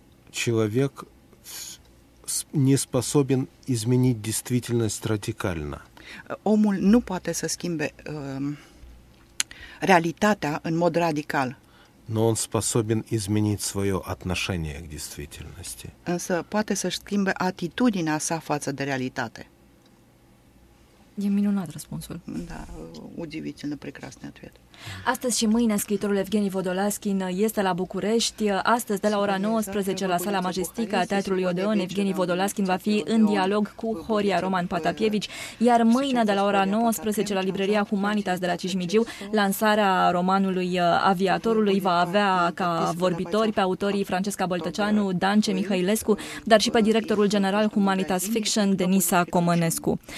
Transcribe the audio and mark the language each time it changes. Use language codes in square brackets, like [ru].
[ru] Человек не способен изменить действительность радикально. [ro] Omul nu poate să schimbe realitatea în mod radical. [ru] Но он способен изменить свое отношение к действительности. [ro] Însă poate să-și schimbe atitudinea sa față de realitate. E minunat răspunsul. [ru] Da, удивительно прекрасный ответ. [ro] Astăzi și mâine scriitorul Evgeni Vodolaskin este la București. Astăzi de la ora 19 la Sala Majestică a Teatrului Odeon, Evgeni Vodolaskin va fi în dialog cu Horia Roman Patapievici, iar mâine de la ora 19 la Librăria Humanitas de la Cismigiu, lansarea romanului Aviatorului va avea ca vorbitori pe autorii Francesca Boltăceanu, Dance Mihăilescu, dar și pe directorul general Humanitas Fiction, Denisa Comănescu.